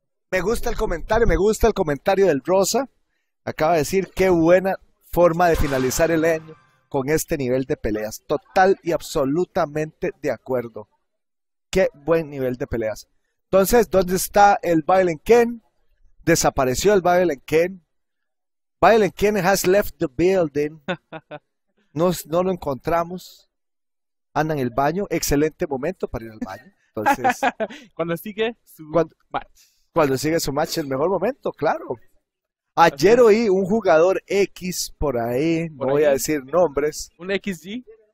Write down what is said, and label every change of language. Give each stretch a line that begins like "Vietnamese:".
Spanish: Me gusta el comentario del Rosa. Acaba de decir qué buena forma de finalizar el año con este nivel de peleas. Total y absolutamente de acuerdo. Qué buen nivel de peleas. Entonces, ¿dónde está el Violent Ken? Desapareció el Violent Ken.
English: Violent Ken has left the building.
Spanish: No lo encontramos. Anda en el baño. Excelente momento para ir al baño. Entonces, cuando sigue su match. Cuando sigue su match, el mejor momento, claro. Ayer oí un jugador X por ahí, no voy a decir nombres. ¿Un XG?